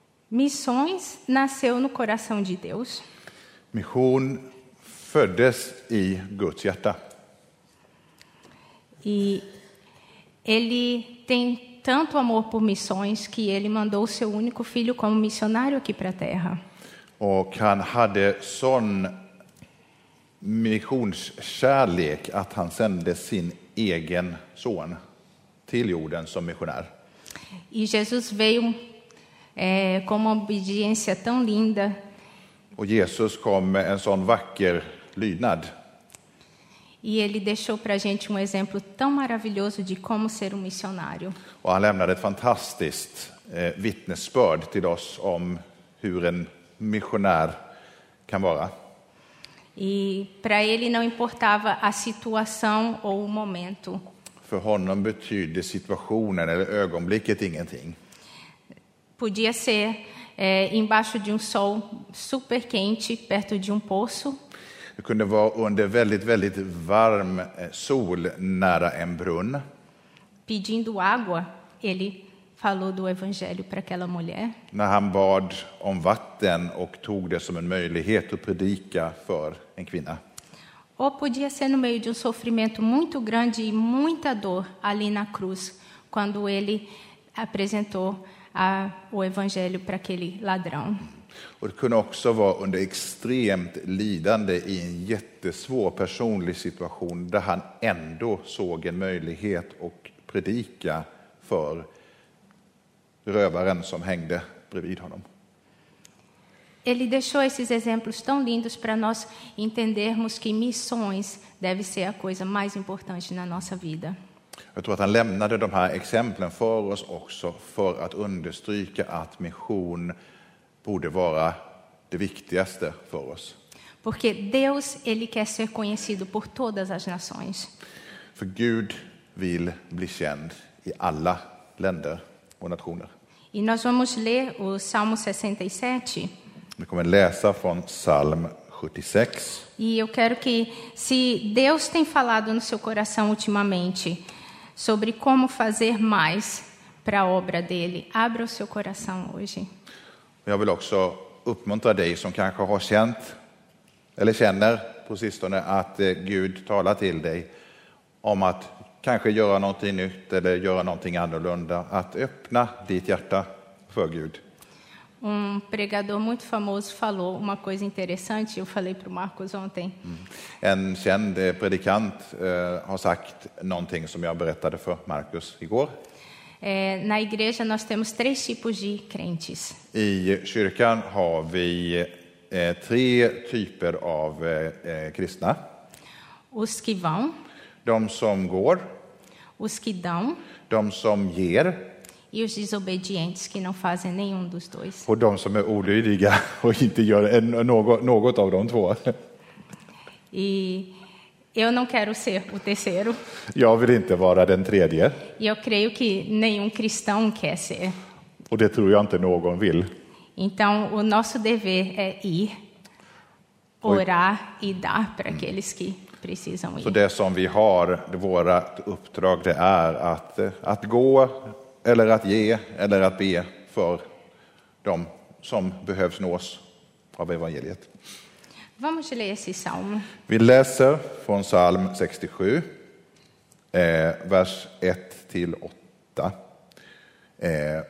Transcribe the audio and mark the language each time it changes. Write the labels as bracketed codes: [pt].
[pt] Missões nasceu no coração de Deus. [sv] Mission föddes i Guds hjärta. [pt] E ele tem tanto amor por missões que ele mandou seu único filho como missionário aqui para a Terra. [sv] Och han hade sån missionskärlek att han sände sin egen son till jorden som missionär. [pt] E Jesus veio com uma obediência tão linda. [sv] Och Jesus kom med en sån vacker lydnad. [pt] E ele deixou pra gente um exemplo tão maravilhoso de como ser um missionário. [sv] Och han lämnade ett fantastiskt vittnesbörd till oss om hur en missionär kan vara. [pt] E para ele não importava a situação ou o momento. [sv] För honom betydde situationen eller ögonblicket ingenting. [pt] Podia ser embaixo de sol super quente perto de poço. [sv] Det kunde vara under väldigt väldigt varm sol nära en brunn. [pt] Pedindo água, ele falou do evangelho para aquela mulher. [sv] När han bad om vatten och tog det som en möjlighet att predika för en kvinna. [pt] Ou podia ser no meio de sofrimento muito grande e muita dor ali na cruz, quando ele apresentou o evangelho para aquele ladrão. [sv] Och det kunde också vara under extremt lidande i en jättesvår personlig situation där han ändå såg en möjlighet att predika för rövaren som hängde bredvid honom. [pt] Ele deixou esses exemplos tão lindos para nós entendermos que missões deve ser a coisa mais importante na nossa vida. [sv] Jag tror att han lämnade de här exemplen för oss också för att understryka att mission borde vara det viktigaste för oss. [pt] Porque Deus, ele quer ser conhecido por todas as nações. [sv] För Gud vill bli känd i alla länder och nationer. [pt] E nós vamos ler o Salmo 67. [sv] Vi kommer läsa från Psalm 76. [pt] E eu quero que, se Deus tem falado no seu coração ultimamente sobre como fazer mais para a obra dele, abra o seu coração hoje. [sv] Jag vill också uppmuntra dig som kanske har känt eller känner på sistone att Gud talar till dig om att kanske göra någonting nytt eller göra någonting annorlunda, att öppna ditt hjärta för Gud. [pt] Um pregador muito famoso falou uma coisa interessante, eu falei pro Marcos ontem. [sv] En känd predikant har sagt någonting som jag berättade för Marcus igår. [pt] Na igreja nós temos três tipos de crentes. [sv] I kyrkan har vi tre typer av kristna. [pt] Os que vão. [sv] De som går. [pt] Os que dão. [sv] De som ger. [pt] E os desobedientes que não fazem nenhum dos dois. [sv] Och de som är olydiga och inte gör något av de två. [pt] E eu não quero ser o terceiro. [sv] Jag vill inte vara den tredje. [pt] Eu creio que nenhum cristão quer ser. [sv] Och det tror jag inte någon vill. [pt] Então o nosso dever é ir, orar e dar para aqueles que precisam ir. [sv] Så det som vi har, vårt uppdrag, det är att gå eller att ge eller att be för de som behövs nås av evangeliet. [pt] Vamos [sv] läsa psalm. Vi läser från psalm 67, vers 1-8.